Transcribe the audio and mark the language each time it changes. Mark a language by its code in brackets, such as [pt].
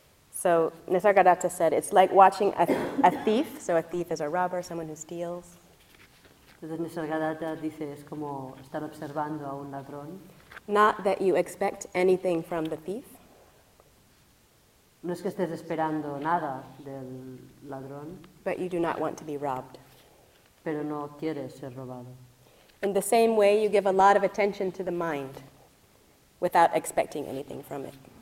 [en] So Nisargadatta said, it's like watching a thief. So a thief is a robber, someone who steals. [es] Entonces Nisargadatta dice, es como estar observando a un ladrón. [en] Not that you expect anything from the thief. [es] No es que estés esperando nada del ladrón. [en] But you do not want to be robbed. [es] Pero no quieres ser robado. [en] In the same way, you give a lot of attention to the mind without expecting anything from it.